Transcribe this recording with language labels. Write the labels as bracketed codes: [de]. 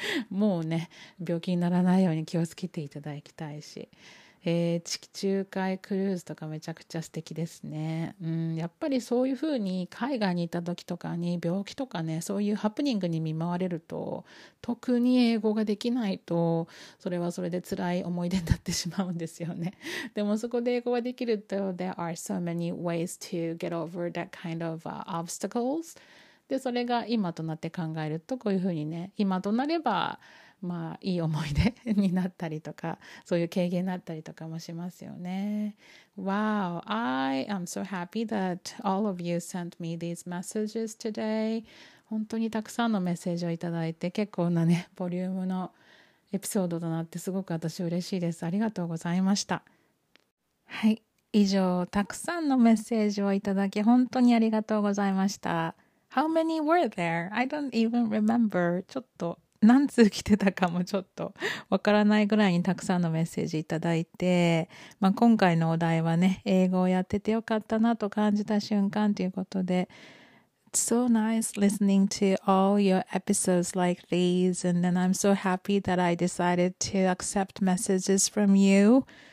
[ja] もうね、病気にならないように気をつけていただきたいし、地中海クルーズとかめちゃくちゃ素敵ですね。やっぱりそういうふうに海外にいた時とかに病気とかね、そういうハプニングに見舞われると、特に英語ができないとそれはそれで辛い思い出になってしまうんですよね。でもそこで英語ができると、 [en] There are so many ways to get over that kind of obstacles. [ja] でそれが今となって考えるとこういうふうにね、今となればまあいい思い出になったりとか、そういう経験になったりとかもしますよね。 [en] Wow, I am so happy that all of you sent me these messages today. [ja] 本当にたくさんのメッセージをいただいて、結構なねボリュームのエピソードとなって、すごく私嬉しいです。ありがとうございました。はい、以上、たくさんのメッセージをいただき本当にありがとうございました。 [en] How many were there? I don't even remember. [ja] ちょっと何通来てたかもちょっとわからないぐらいにたくさんのメッセージいただいて、まあ、今回のお題はね、英語をやっててよかったなと感じた瞬間ということで、 [en] It's so nice listening to all your episodes like these, and then I'm so happy that I decided to accept messages from you.